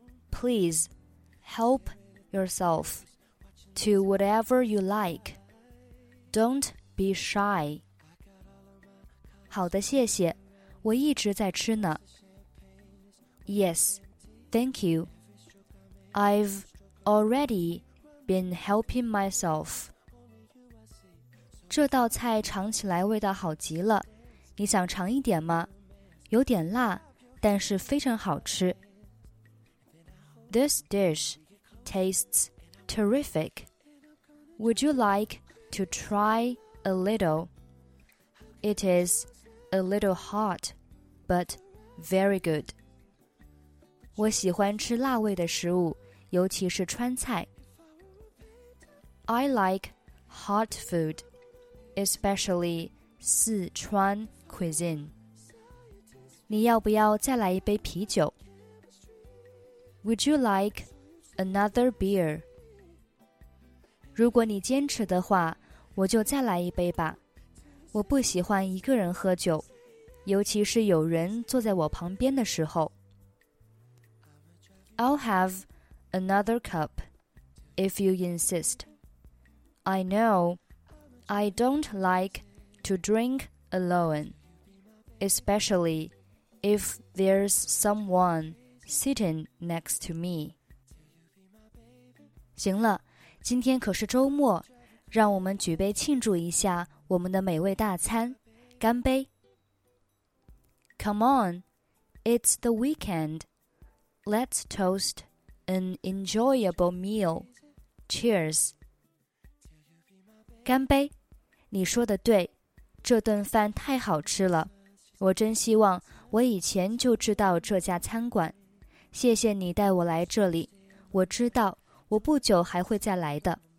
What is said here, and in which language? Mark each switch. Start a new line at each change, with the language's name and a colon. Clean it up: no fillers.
English: Please help yourself to whatever you like. Don't be shy.
Chinese: 好的，谢谢，我一直在吃呢。
English: Yes, thank you. I've already been helping myself.
Chinese: 这道菜尝起来味道好极了，你想尝一点吗？有点辣，但是非常好吃。
English: This dish tastes terrific. Would you like to try a little? It is... A little hot, but very good.
Chinese: 我喜欢吃辣味的食物，尤其是川菜。
English: I like hot food, especially Sichuan cuisine.
Chinese: 你要不要再来一杯啤酒?
English: Would you like another beer?
Chinese: 如果你坚持的话，我就再来一杯吧。我不喜欢一个人喝酒。尤其是有人坐在我旁边的时候。
English: I'll have another cup, if you insist. I know I don't like to drink alone, especially if there's someone sitting next to me.
Chinese: 行了，今天可是周末，让我们举杯庆祝一下我们的美味大餐，干杯。
English: Come on, it's the weekend. Let's toast an enjoyable meal. Cheers.
Chinese: 干杯，你说的对，这顿饭太好吃了。我真希望我以前就知道这家餐馆。谢谢你带我来这里，我知道我不久还会再来的。